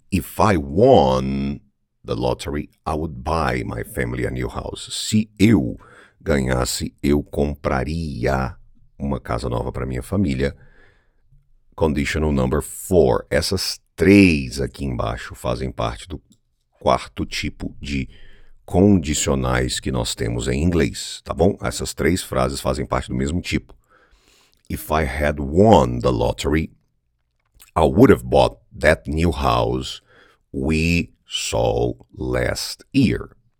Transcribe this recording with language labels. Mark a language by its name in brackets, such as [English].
[English] If I won the lottery, I would buy my family a new house. [Portuguese] Se eu ganhasse, eu compraria uma casa nova para minha família. [English] Conditional number four. [Portuguese] Essas três aqui embaixo fazem parte do quarto tipo de condicionais que nós temos em inglês, tá bom? Essas três frases fazem parte do mesmo tipo. [English] If I had won the lottery, I would have bought that new house we saw last year.